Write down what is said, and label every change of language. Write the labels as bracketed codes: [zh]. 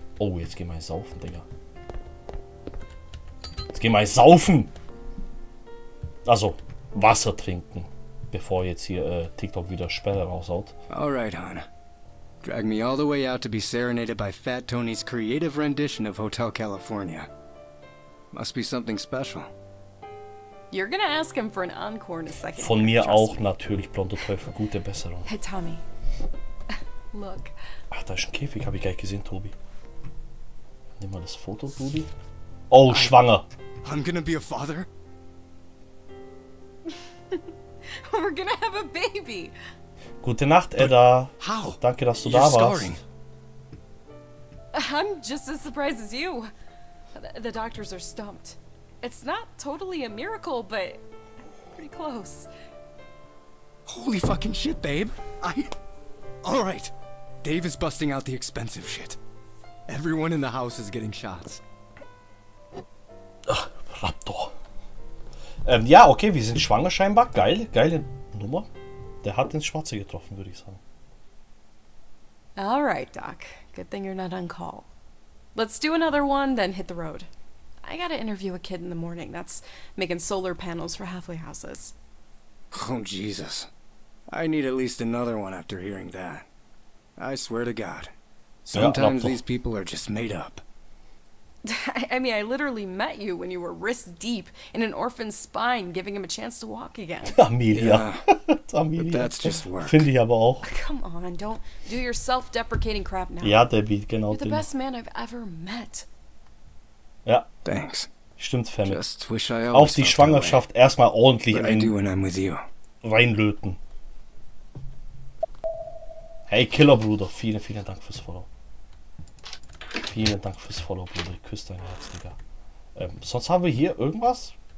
[de] Oh, jetzt geh mal saufen, Digga. Jetzt geh mal saufen! Also, Wasser trinken, bevor jetzt hier TikTok wieder Sperre raushaut. [en] Alright, Hana. Drag me all the way out to be serenaded by Fat Tony's creative rendition of Hotel California. Must be something special. You're gonna ask him for an encore in a second. [de] Von mir auch natürlich, blonder Teufel, gute Besserung. [en] Hey, Tommy. Look. [de] Ach, da ist ein Käfig, hab ich gleich gesehen, Tobi. Nimm mal das Foto, Brudi. Oh, schwanger. [en] I'm gonna be a father? We're gonna have a baby. [de] Gute Nacht, Edda. Danke, dass du [en] You're [de] da [en] scoring. [de] Warst. [en] I'm just as surprised as you. The doctors are stumped. It's not totally a miracle, but pretty close. Holy fucking shit, babe. All right. Dave is busting out the expensive shit. Everyone in the house is getting shots. [de] Ach, Raptor. Ja, okay, wir sind schwanger scheinbar. Geil, geile Nummer. Der hat ins Schwarze getroffen, würde ich sagen. [en] All right, Doc. Good thing you're not on call. Let's do another one, then hit the road. I gotta interview a kid in the morning that's making solar panels for halfway houses. Oh, Jesus. I need at least another one after hearing that. I swear to God. Sometimes these people are just made up. I mean, I literally met you when you were wrist deep in an orphan's spine, giving him a chance to walk again. Amelia. Amelia. But that's just work. [de] Finde ich aber auch. [en] Come on, don't do your self-deprecating crap now. [de] Ja, Debbie, genau. [en] You're the best man I've ever met. [de] Ja. [en] Thanks. [de] Stimmt, Femme. [en] Just wish I always [de] auf die Schwangerschaft erstmal ordentlich reinlöten. Hey, Killerbruder, vielen, vielen Dank fürs Follow. Vielen Dank fürs Follow, Bruder. Ich küsse dein Herz, Digga. Sonst haben wir hier irgendwas?